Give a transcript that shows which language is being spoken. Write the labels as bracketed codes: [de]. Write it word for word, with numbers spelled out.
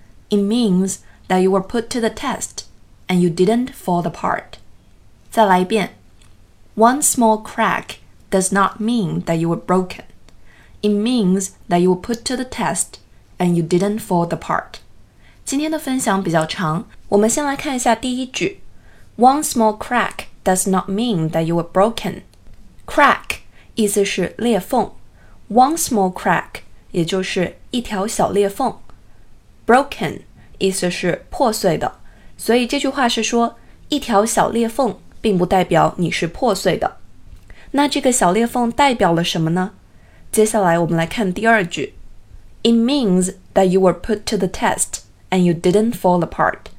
[en] It means that you were put to the test and you didn't fall apart. [zh] 再来一遍 [en] ：One small crack does not mean that you were broken. It means that you were put to the test and you didn't fall apart. [zh] 今天的分享比较长，我们先来看一下第一句。 One small crack does not mean that you were broken. Crack 意思是裂缝 ，one small crack 也就是一条小裂缝 ，broken 意思是破碎的，所以这句话是说一条小裂缝并不代表你是破碎的。那这个小裂缝代表了什么呢？接下来我们来看第二句 [en] ，It means that you were put to the test and you didn't fall apart.